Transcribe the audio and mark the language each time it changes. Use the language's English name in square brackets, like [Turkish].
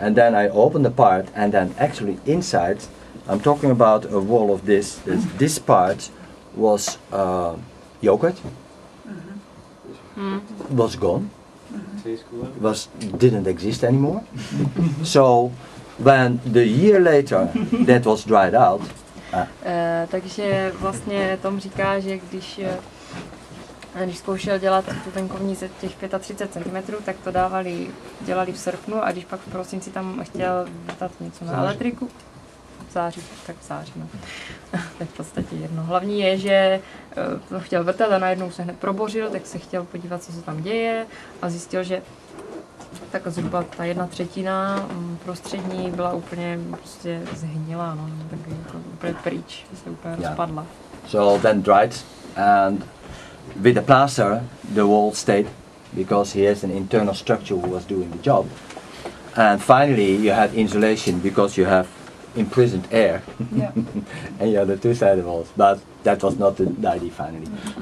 [English] And then I open the part, and then actually inside, I'm talking about a wall of this. This part was yogurt. Mm-hmm. Was gone. Mm-hmm. Was didn't exist anymore. So, when the year later that was dried out. [Czech] Takže vlastně Tom říká, že když když zkoušel dělat tu venkovní ze těch 35 cm, tak to dělali v srpnu, a když pak v prosinci tam chtěl dát něco na elektriku, v září, to je v podstatě jedno. Hlavní je, že to chtěl vrtat a najednou se hned probořil, tak se chtěl podívat, co se tam děje, a zjistil, že tak zhruba ta jedna třetina prostřední byla úplně prostě zhnilá, no, tak jako úplně pryč, se úplně rozpadla. [English] So then dried and with the plaster, the wall stayed, because he has an internal structure who was doing the job. And finally, you had insulation because you have imprisoned air, yeah. And you had the two side walls. But that was not the idea finally. Mm-hmm.